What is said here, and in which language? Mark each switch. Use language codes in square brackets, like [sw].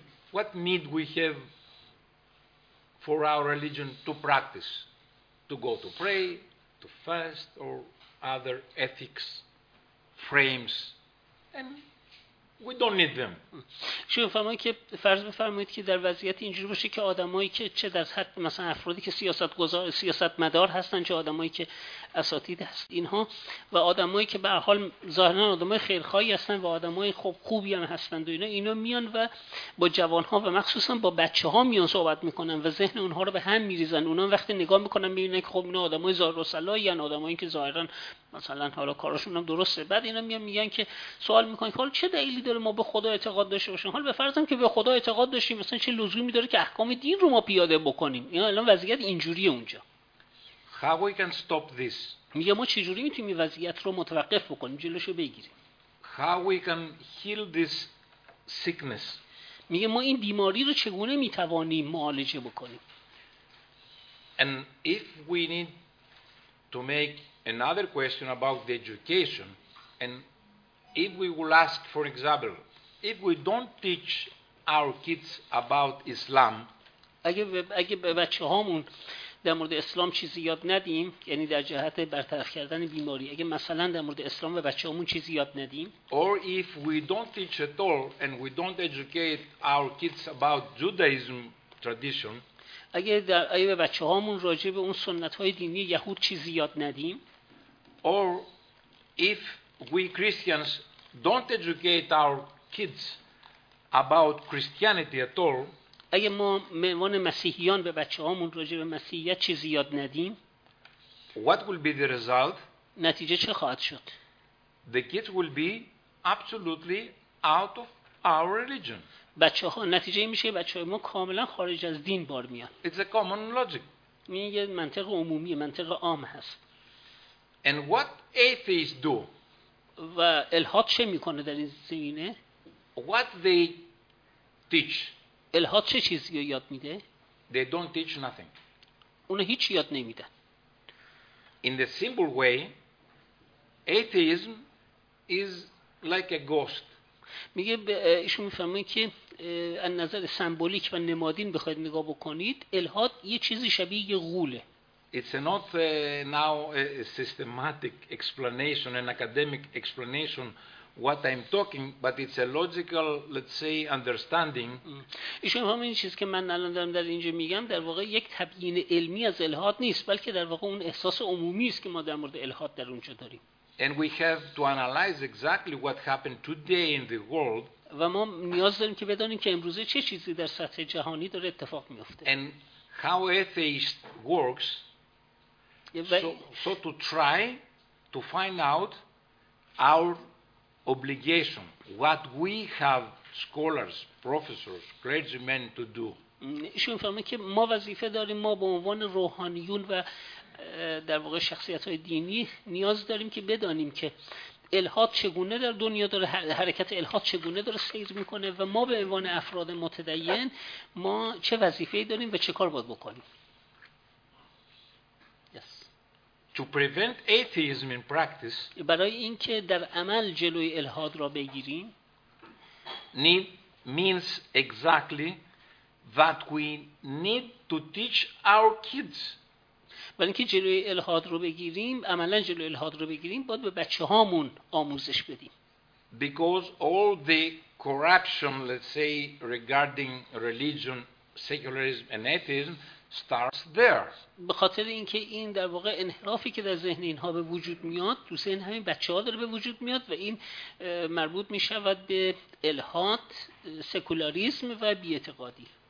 [en] What need we have for our religion to practice, to go to pray, to fast, or other ethics frames, and we don't need them. [fa] شما فرمایید که فرض بفرمایید که در وضعیت اینجوری باشه که آدمایی که چه در حد مثلا افرادی که سیاستگزار سیاستمدار هستن چه آدمایی که اساتید هست اینها و آدمایی که به هر حال ظاهرا آدمای خیرخواهی هستن و آدمای خوبی هم هستن و اینا میان و با جوانها و مخصوصا با بچه‌ها میان صحبت میکنن و ذهن اونها رو به هم میریزن، اونها وقتی نگاه میکنن میبینن که خب اینا آدمای زار و سلاین، آدمایی که ظاهرا مثلا حالا کارشون هم درسته، بعد اینا میان میگن که سوال میکنن حالا چه دلیلی داره ما به خدا اعتقاد داشته باشیم، حالا بفرضیم که به خدا اعتقاد داشتیم مثلا چه لزومی داره که احکام دین رو ما پیاده بکنیم. اینا الان وضعیت اینجوریه اونجا. [en] How we can stop this؟ [fa] میگه ما چجوری میتونیم این وضعیت رو متوقف بکنیم، جلوشو بگیریم. [en] How we can heal this sickness؟ [fa] میگه ما این بیماری رو چگونه میتوانیم معالجه بکنیم. [en] And if we need to make another question about the education, and if we will ask, for example, if we don't teach our kids about Islam, [fa] اگه به بچه هامون در مورد اسلام چیزی یاد ندیم، یعنی در جهت برطرف کردن بیماری، اگه مثلا در مورد اسلام به بچه هامون چیزی یاد ندیم، [en] or if we don't teach at all and we don't educate our kids about Judaism tradition, [fa] اگه به بچه هامون راجع به اون سنت های دینی یهود چیزی یاد ندیم، [en] or if we Christians don't educate our kids about Christianity at all, [fa] اگه ما معنوان مسیحیان به بچه هامون راجع به مسیحیت چیزی یاد ندیم، [en] what will be the result? [fa] نتیجه چه خواهد شد؟ [en] The kids will be absolutely out of our religion. [fa] بچه ها نتیجه میشه بچه های ما کاملا خارج از دین بار میان. [en] It's a common logic. [fa] این یه منطق عمومی، منطق عام هست. [en] And what atheists do? [fa] و الحاد چه میکنه در این زمینه؟ [en] What they teach? [fa] الحاد چه چیزی رو یاد میده؟ [en] They don't teach nothing. [fa] اونا هیچ یاد نمیدن. [en] In the simple way, atheism is like a ghost. [fa] میگه ایشون میفهمن که از نظر سمبولیک و نمادین بخواید نگاه بکنید، الحاد یه چیزی شبیه یه غوله. [en] It's not now a systematic explanation, an academic explanation, what I'm talking, but it's a logical, let's say, understanding. [fa] ایشون همین چیزی که من الان دارم در اینجا میگم در واقع یک تبیین علمی از الحاد نیست، بلکه در واقع اون احساس عمومی است که ما در مورد الحاد در اونجا داریم. [en] And we have to analyze exactly what happened today in the world. [fa] و ما نیاز داریم که بدانیم که امروزه چه چیزی در سطح جهانی داره اتفاق میفته. [en] And how atheist works. So to try to find out our obligation, what we have scholars, professors, clergymen to do. [fa] ایشون فهمید که ما وظیفه داریم، ما به عنوان روحانیون و در واقع شخصیت‌های دینی نیاز داریم که بدانیم که الحاد چگونه در دنیا داره حرکت، الحاد چگونه داره سیر می‌کنه و ما به عنوان افراد متدین ما چه وظیفه‌ای داریم و چه کار باید بکنیم. [en] To prevent atheism in practice, [fa] برای اینکه در عمل جلوی الحاد را بگیریم، [en] need means exactly that we need to teach our kids. [fa] برای اینکه جلوی الحاد رو بگیریم، عملا جلوی الحاد رو بگیریم، باید به بچه هامون آموزش بدیم. [en] Because all the corruption, let's say, regarding religion, secularism and atheism starts there. [fa] به خاطر اینکه این در واقع انحرافی که در ذهن اینها به وجود میاد، تو ذهن همین بچه‌ها داره به وجود میاد و این مربوط می‌شود به الحاد، سکولاریسم و بی‌اعتقادی.